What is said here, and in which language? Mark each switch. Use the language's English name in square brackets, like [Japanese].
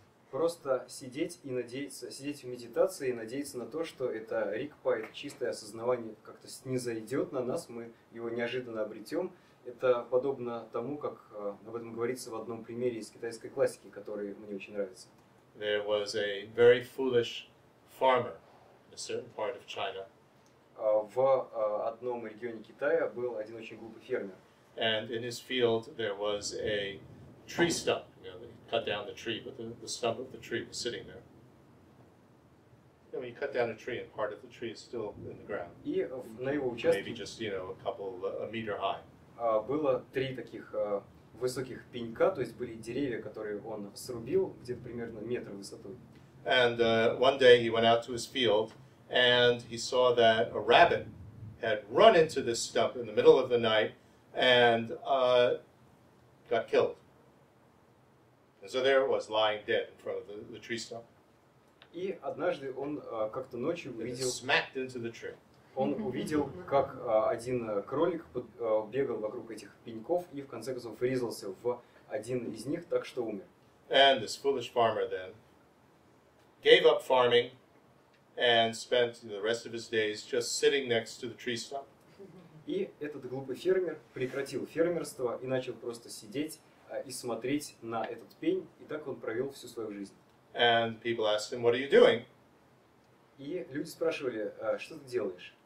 [Russian] Просто сидеть и надеяться, сидеть в медитации и надеяться на то, что это рикпа, это чистое осознавание как-то снизойдет на нас, мы его неожиданно обретем. Это подобно тому, как об этом говорится в одном примере из китайской классики, который мне очень нравится. [English] There was a very foolish farmer in a certain part of China. [Russian] В одном регионе Китая был один очень глупый фермер. [English] And in his field there was a tree stump. You know, he cut down the tree, but the stump of the tree was sitting there. You know, when you cut down a tree and part of the tree is still in the ground. [Russian] И на его участке... [English] Maybe just, you know, a couple, a meter high. [Russian] Было три таких высоких пенька, то есть были деревья, которые он срубил, где-то примерно метр высотой. [English] And one day he went out to his field, and he saw that a rabbit had run into this stump in the middle of the night and got killed. And so there it was, lying dead in front of the tree stump. [Russian] И однажды он как-то ночью увидел... [English] Smacked into the tree. [Russian] Он увидел, как один кролик бегал вокруг этих пеньков и в конце концов врезался в один из них, так что умер. [English] And this foolish farmer then gave up farming and spent the rest of his days just sitting next to the tree stump. [Russian] И этот глупый фермер прекратил фермерство и начал просто сидеть и смотреть на этот пень, и так он провел всю свою жизнь. [English] And people asked him, "What are you doing?" [Russian] И люди спрашивали, что ты делаешь?